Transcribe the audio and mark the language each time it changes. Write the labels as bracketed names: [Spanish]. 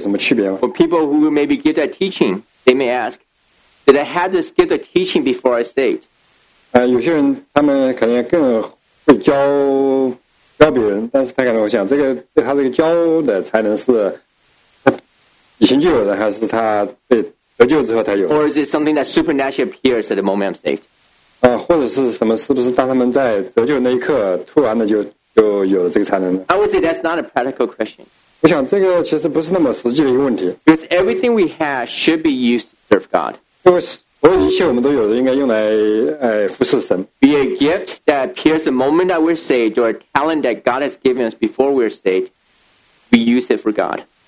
[English] For people who may be gifted at teaching, they may ask, did I have this gift of teaching before I saved? [Chinese] 有些人他们可能更会教别人，但是他可能我想这个他这个教的才能是以前就有的，还是他被得救之后才有？ [English] Or is it something that supernaturally appears at the moment I'm saved? [Chinese] 或者是什么？是不是当他们在得救那一刻，突然的就有了这个才能呢？ [English] I would say that's not a practical question. [Chinese] 我想这个其实不是那么实际的一个问题。 [English] Because everything we have should be used to serve God. [Chinese] 所有一切我们都有的应该用来服侍神。 [English] Be a gift that appears the moment that we're saved or a talent that God has given us before we're saved, we use it for God.